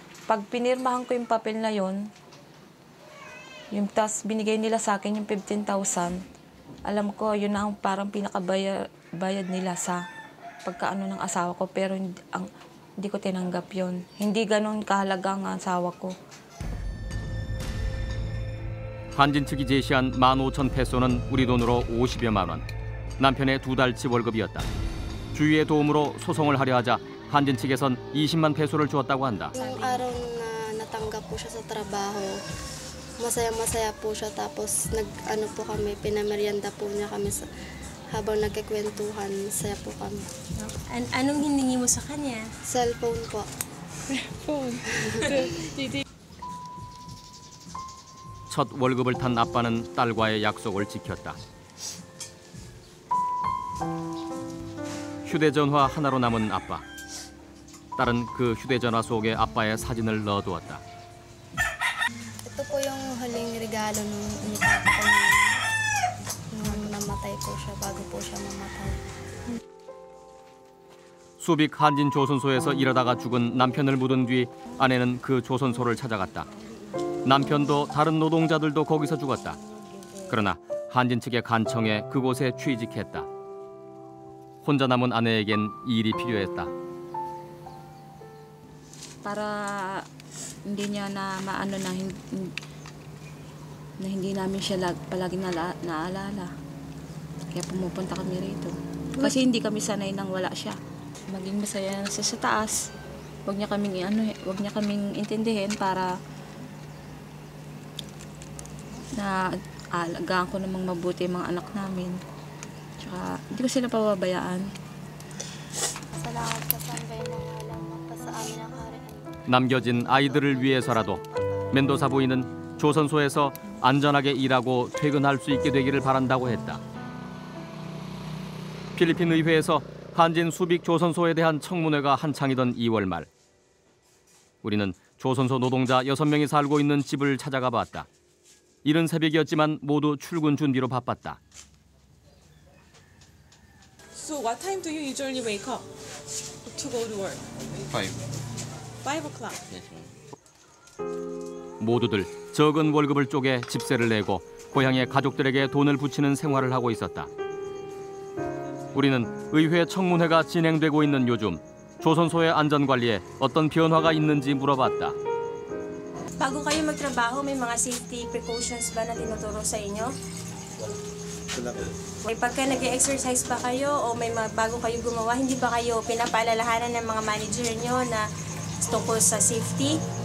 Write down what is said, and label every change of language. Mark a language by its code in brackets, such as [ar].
[tl] Pag pinirmahan ko yung papel na yun, yung tas binigay nila sa akin yung 15,000, alam ko yun na ang parang pinakabayad nila sa pagkaano ng asawa ko. Pero hindi ko tinanggap yun. Hindi ganun kahalaga ang asawa ko. [ko] 한진 측이 제시한 15,000 페소는 우리 돈으로 50여만 원. 남편의 두 달치 월급이었다. 주위의 도움으로 소송을 하려 하자 한진 측에선 20만 페소를 주었다고 한다. [tl] 그 araw na natanggap po siya sa trabaho, masaya-masaya po siya. Tapos nag-ano po kami, pinamerienda po niya kami sa, habang nagkikwentuhan, saya po kami. And anong hiningi mo sa kanya? Cellphone po. Cellphone. [ko] 첫 월급을 탄 아빠는 딸과의 약속을 지켰다. 휴대전화 하나로 남은 아빠. 딸은 그 휴대전화 속에 아빠의 사진을 넣어두었다. [tl] 이거 po yung huling regalo ng inikap ko na namatay po siya bago po siya mamatay. [ko] 수빅 한진 조선소에서 일하다가 죽은 남편을 묻은 뒤 아내는 그 조선소를 찾아갔다. 남편도 다른 노동자들도 거기서 죽었다. 그러나 한진 측의 간청에 그곳에 취직했다. 혼자 남은 아내에겐 일이 필요했다. [tl] Para hindi niya na maano na hindi namin siya palagi naalala. Kaya pumupunta kami rito. Kasi hindi kami sanay nang wala siya. Maging masaya na siya sa taas. Huwag niya kaming ano, huwag niya kaming intindihin para na alagaan ko namang mabuti yung mga anak namin. Tsaka hindi ko sila pababayaan. Salamat sa sanday na alam mo pa sa amin ang [ko] namgyojin aidereul wiyeseo-rado. Mendoza buin-eun 조선소에서 안전하게 일하고 퇴근할 수 있게 되기를 바란다고 했다. 필리핀 의회에서 한진 수빅 조선소에 대한 청문회가 한창이던 2월 말. 우리는 조선소 노동자 6명이 살고 있는 집을 찾아가 봤다. 이른 새벽이었지만 모두 출근 준비로 바빴다. [en] So what time do you usually wake up to go to work? 5 o'clock. Yes, [ko] 모두들 적은 월급을 쪼개 집세를 내고 고향의 가족들에게 돈을 부치는 생활을 하고 있었다. 우리는 의회 청문회가 진행되고 있는 요즘 조선소의 안전관리에 어떤 변화가 있는지 물어봤다. [tl] 바고 kayo magtrabaho, may mga safety precautions ba na tinuturo sa inyo? May pagka nag-exercise ba kayo o may mga bago kayo gumawa, hindi ba kayo pinapaalalahanan ng mga manager nyo na tungkol sa safety?